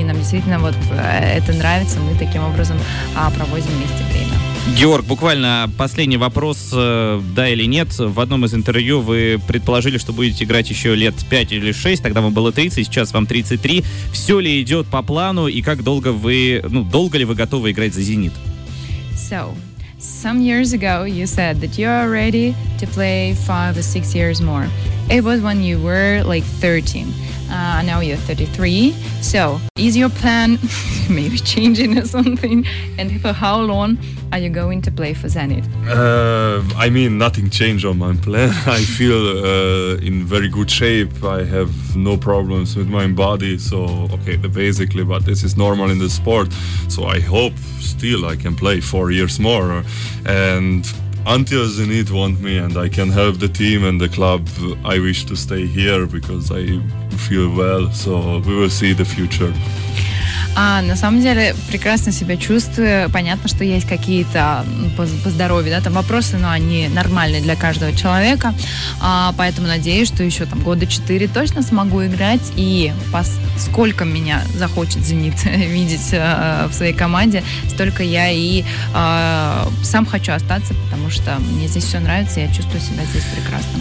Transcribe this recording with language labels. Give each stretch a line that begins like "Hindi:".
Russian: И нам действительно вот это нравится, мы таким образом проводим вместе время. Георг, буквально последний вопрос, да или нет. В одном из интервью вы предположили, что будете играть еще лет 5 или 6, тогда вам было 30, сейчас вам 33. Все ли идет по плану и как долго вы, ну, долго ли вы готовы играть за «Зенит»?
English: So, some years ago you said that you are ready to play 5 or 6 years more. It was when you were like 30. Now you're 33. So, is your plan maybe changing or something? And for how long are you going to play for Zenit? I mean, nothing changed on my plan. I feel in very good shape. I have no problems with my body. So, okay, basically, but this is normal in the sport. So I hope still I can play 4 years more. And until Zenit want me and I can help the team and the club, I wish to stay here because I feel well. So we will see the future.
Russian: На самом деле, прекрасно себя чувствую. Понятно, что есть какие-то по здоровью, да, там вопросы, но они нормальные для каждого человека. Поэтому надеюсь, что еще там года 4 точно смогу играть. И сколько меня захочет «Зенит» видеть в своей команде, столько я и сам хочу остаться, потому что мне здесь все нравится, я чувствую себя здесь прекрасно.